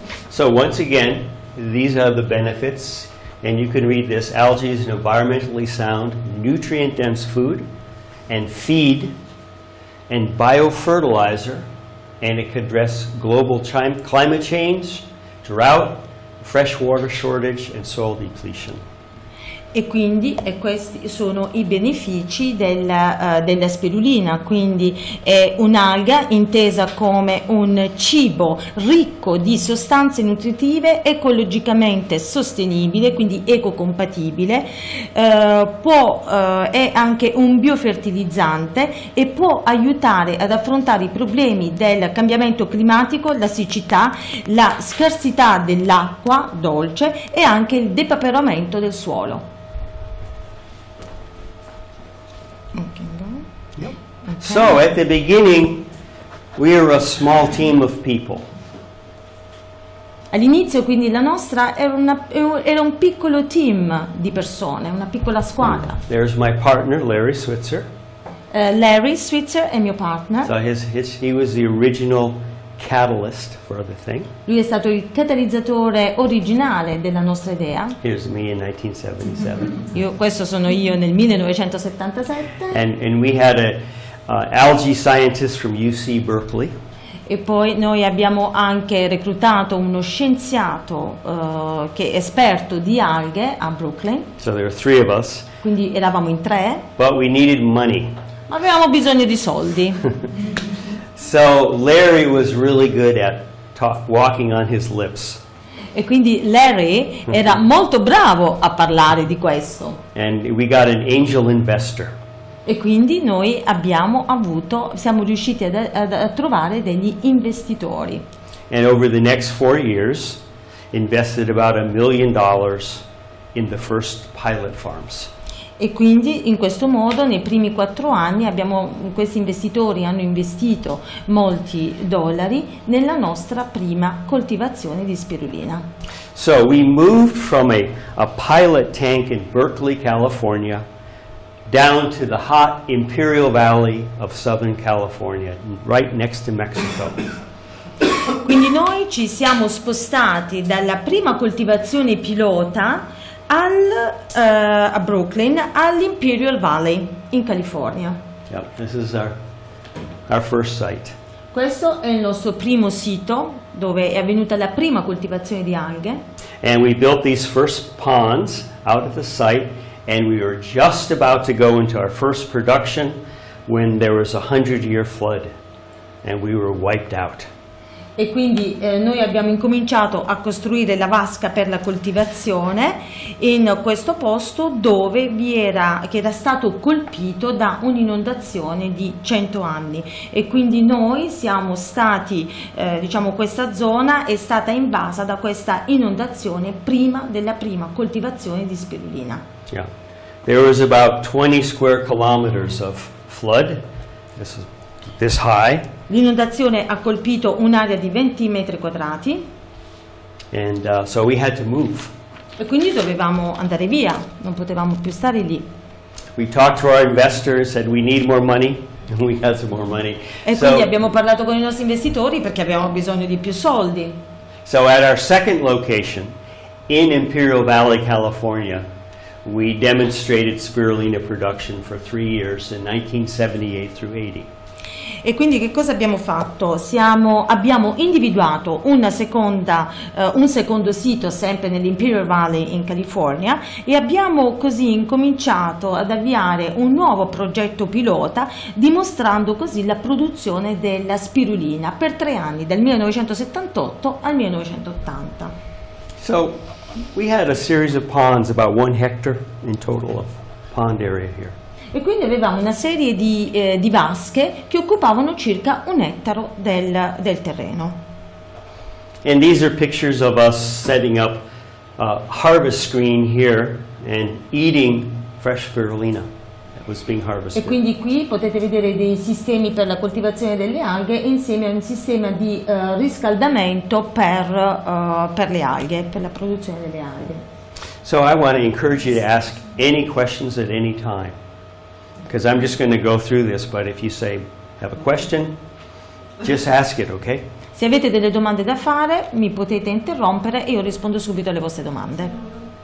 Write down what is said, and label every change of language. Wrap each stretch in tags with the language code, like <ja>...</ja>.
<en>So once again, these are the benefits, and you can read this: algae is an environmentally sound, nutrient-dense food and feed and biofertilizer. And it could address global climate change, drought, fresh water shortage, and soil depletion.</en> <it>E quindi questi sono i benefici della spirulina. Quindi è un'alga intesa come un cibo ricco di sostanze nutritive, ecologicamente sostenibile, quindi ecocompatibile, è anche un biofertilizzante e può aiutare ad affrontare i problemi del cambiamento climatico, la siccità, la scarsità dell'acqua dolce e anche il depauperamento del suolo.</it> <en>Okay. So, at the beginning, we were a small team of people.</en> <it>All'inizio, quindi, la nostra era un piccolo team di persone, una piccola squadra.</it> <en>There's my partner, Larry Switzer.</en> <it>Larry Switzer è mio partner.</it> <en>So, he was the original catalyst for the thing.</en> <it>Lui è stato il catalizzatore originale della nostra idea.</it> <en>Here's me in 1977.</en> <it>Questo sono io nel 1977.</it> <en>And we had algae scientist from UC Berkeley.</en> <it>E poi noi abbiamo anche reclutato uno scienziato che è esperto di alghe a Brooklyn.</it> <en>So there were 3 of us.</en> <it>Quindi eravamo in 3.</it> <en>But we needed money.</en> <it>Ma avevamo bisogno di soldi.</it> <en>So Larry was really good at walking on his lips.</en> <it>E quindi Larry era molto bravo a parlare di questo.</it> <en>And we got an angel investor.</en> <it>E quindi noi abbiamo avuto, siamo riusciti a trovare degli investitori.</it> <en>And over the next 4 years, invested about $1 million in the first pilot farms.</en> <it>E quindi in questo modo nei primi 4 anni abbiamo, questi investitori hanno investito molti dollari nella nostra prima coltivazione di spirulina.</it> <en>So we moved from a pilot tank in Berkeley, California, down to the hot Imperial Valley of Southern California, right next to Mexico.</en> <it>Quindi noi ci siamo spostati dalla prima coltivazione pilota a Brooklyn, all'Imperial Valley in California.</it> <en>Yep, this is our first site.</en> <it>Questo è il nostro primo sito dove è avvenuta la prima coltivazione di alghe.</it> <en>And we built these first ponds out at the site, and we were just about to go into our first production when there was a 100-year flood, and we were wiped out.</en> <it>E quindi noi abbiamo incominciato a costruire la vasca per la coltivazione in questo posto dove vi era, che era stato colpito da un'inondazione di 100 anni. E quindi noi siamo stati, diciamo, questa zona è stata invasa da questa inondazione prima della prima coltivazione di spirulina.</it> <en>Yeah. There was about 20 square kilometers of flood. This high.</en> <it>L'inondazione ha colpito un'area di 20 metri quadrati.</it> <en>And so we had to move.</en> <it>E quindi dovevamo andare via, non potevamo più stare lì.</it> <en>We talked to our investors, said we need more money, and we had some more money.</en> <it>E so, quindi abbiamo parlato con i nostri investitori perché avevamo bisogno di più soldi.</it> <en>So at our second location in Imperial Valley, California, we demonstrated spirulina production for 3 years in 1978 through 80.</en> <it>E quindi che cosa abbiamo fatto? Abbiamo individuato un secondo sito sempre nell'Imperial Valley in California e abbiamo così incominciato ad avviare un nuovo progetto pilota dimostrando così la produzione della spirulina per 3 anni, dal 1978 al 1980.</it> <en>So we had a series of ponds, about 1 hectare in total of pond area here.</en> <it>E quindi avevamo una serie di vasche che occupavano circa 1 ettaro del terreno.</it> <en>And these are pictures of us setting up a harvest screen here and eating fresh spirulina that was being harvested.</en> <it>E quindi qui potete vedere dei sistemi per la coltivazione delle alghe insieme a un sistema di riscaldamento per le alghe, per la produzione delle alghe.</it> <en>So I want to encourage you to ask any questions at any time. Because I'm just going to go through this, but if you say, have a question, just ask it, okay?</en> <it>Se avete delle domande da fare, mi potete interrompere e io rispondo subito alle vostre domande.</it>